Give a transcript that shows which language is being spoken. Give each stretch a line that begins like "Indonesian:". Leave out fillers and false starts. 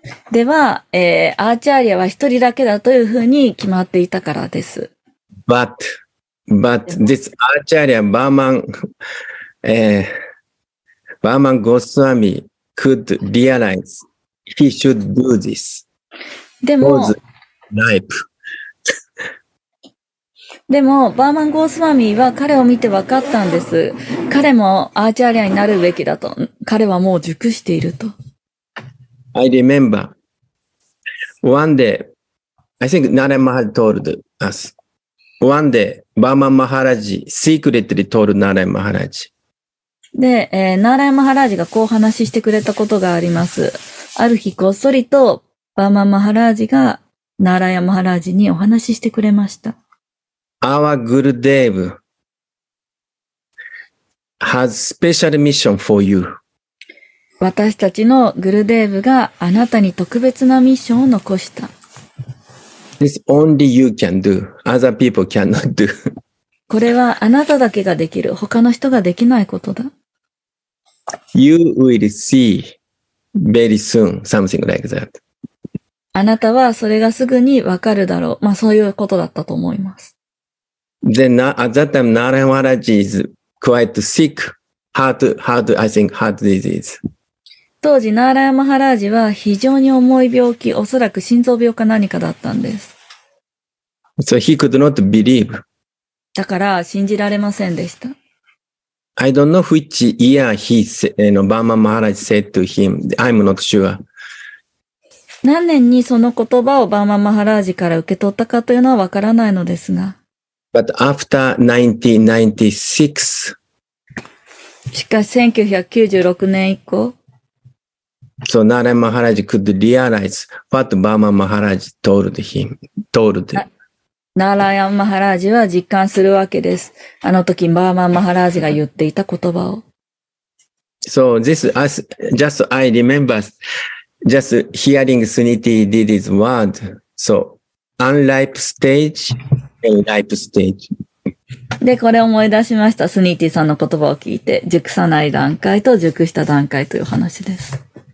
Japanese: では、アーチャリアは一人だけだというふうに決まっていたからです。
English: But this acharya Brahman, Brahman Goswami could realize he should do this.
Japanese: でも、
English: ripe.
Japanese: でも、Brahman Goswami は彼を見て分かったんです。彼もアーチャリアになるべきだと。彼はもう熟していると。
English: I remember one day, I think Narayan Maharaj told us, one day, Brahman Maharaj secretly told Narayan Maharaj,
Japanese: で、ナーラヤマハラージがこう話してくれたことがあります。ある日こっそりとバーマンマハラージがナーラヤマハラージにお話ししてくれました。
English: Our Gurudev has special mission for you.
Japanese: 私たちのグルデーブがあなたに特別なミッションを残した。
English: This only you can do. Other people cannot do.
Japanese: これはあなただけができる。他の人ができないことだ。
English: You will see very soon something like that.
Japanese: あなたはそれがすぐにわかるだろう。まあそういうことだったと思います。
English: Then, at that time, Narayan Maharaj is quite sick. Heart disease.
Japanese: 当時、Narayan Maharaj は非常に重い病気、おそらく心臓病か何かだったんです。
English: So he could not believe.
Japanese: だから信じられませんでした。
English: I don't know which year Brahman Maharaj said to him. I'm not sure.
Japanese: 何年にその言葉をバーマンマハラージから受け取ったかというのはわからないのですが。
English: But after 1996,
Japanese: しかし1996年以降、
English: So Narayan Maharaj could realize what Bama Maharaj told him, told him.
Japanese: Narayan Maharaj は実感するわけです。あの時、Bama Maharaj が言っていた言葉を。
English: So this, as, just I remember, just hearing Suniti did his word. So, unripe stage, a ripe stage.
Japanese: で、これ思い出しました。Suniti さんの言葉を聞いて、熟さない段階と熟した段階という話です。